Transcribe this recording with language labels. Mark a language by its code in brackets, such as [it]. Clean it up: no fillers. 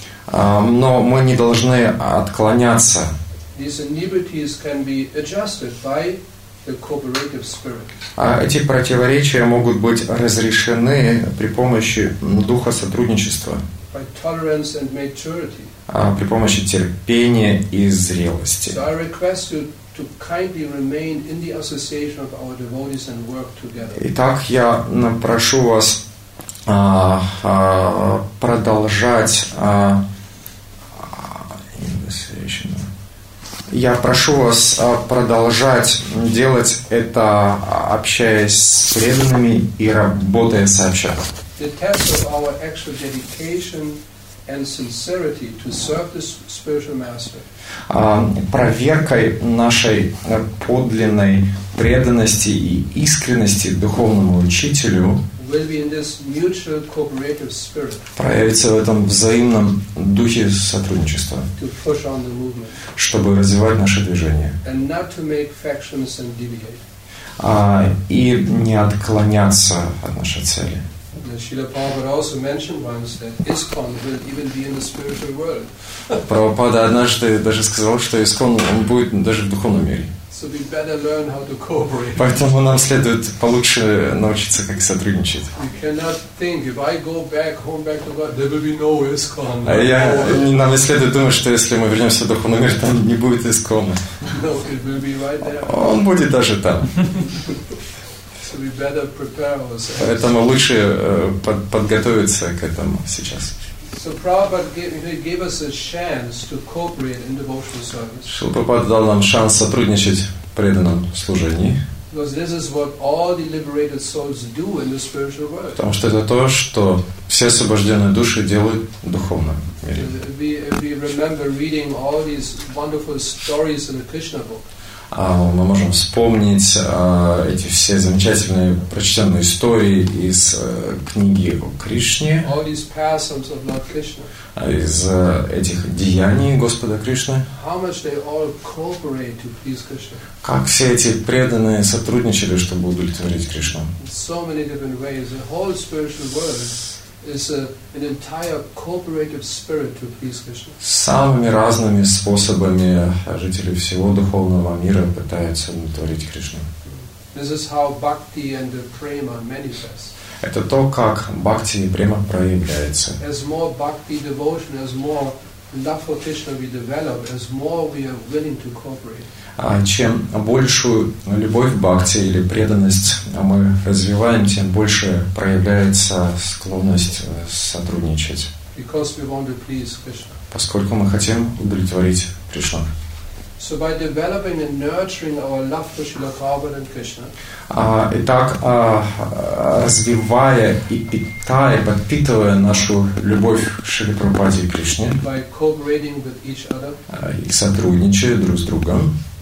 [ru] Но мы не должны отклоняться. [en] These inhibitions can be adjusted by the cooperative spirit. [ru] А эти противоречия могут быть разрешены при помощи духа сотрудничества. [en] By tolerance and maturity. [ru] А при помощи терпения и зрелости. [en] So I request you to kindly remain in the association of our devotees and work together. [ru] Итак, я прошу вас продолжать делать это, общаясь с преданными и работая сообща. [en] The test of our extra dedication and sincerity to serve the spiritual master. [ru] Проверкой нашей подлинной преданности и искренности духовному учителю [en] will be in this mutual cooperative spirit. [ru] Проявится в этом взаимном духе сотрудничества, [en] to push on the movement. [ru] Чтобы развивать наше движение. [en] And not to make factions and deviate. [ru] И не отклоняться от нашей цели. [en] Srila Prabhupada also mentioned once that ISKCON will even be in the spiritual world. [ru] Прабхупада однажды даже сказал, что ИСККОН будет даже в духовном мире. [en] So we better learn how to cooperate. [ru] Поэтому нам следует получше научиться, как сотрудничать. [en] You cannot think if I go back to God, there will be no ISKCON. [ru] А я нам следует думать, что если мы вернемся в духовный мир, там не будет ИСККОНа. [en] No, it will be right there. [ru] Он будет даже там. [en] So we better prepare ourselves. [ru] Поэтому лучше подготовиться к этому сейчас. [en] So Prabhupada gave us a chance to cooperate in devotional service. [ru] Шрила Прабхупада дал нам шанс сотрудничать в преданном служении. [en] Because this is what all the liberated souls do in the spiritual world. [ru] Потому что это то, что все освобожденные души делают в духовном мире. [en] We remember reading all these wonderful stories in the Krishna book. [ru] Мы можем вспомнить эти все замечательные прочитанные истории из книги о Кришне, [en] all these passages of Lord Krishna. [ru] Из этих деяний Господа Кришны. [en] How much they all cooperate to please Krishna. [ru] Как все эти преданные сотрудничали, чтобы удовлетворить Кришну. [en] So many different ways. The whole spiritual world is an entire cooperative spirit to please Krishna. [ru] Самыми разными способами жители всего духовного мира пытаются удовлетворить Кришну. [en] This is how bhakti and the prema manifest. [ru] Это то, как бхакти и према проявляется. [en] As more bhakti devotion, as more love for Krishna we develop, as more we are willing to cooperate. [ru] А чем большую любовь к бхакти или преданность мы развиваем, тем больше проявляется склонность сотрудничать. [en] Because we want to please Krishna. [ru] Поскольку мы хотим удовлетворить Кришну. [en] So by developing and nurturing our love for Srila Prabhupada and Krishna. [ru] Итак, развивая и питая, подпитывая нашу любовь к Шри Прабхупаде и Кришне. [en] By cooperating with each other. [ru] И сотрудничая друг с другом.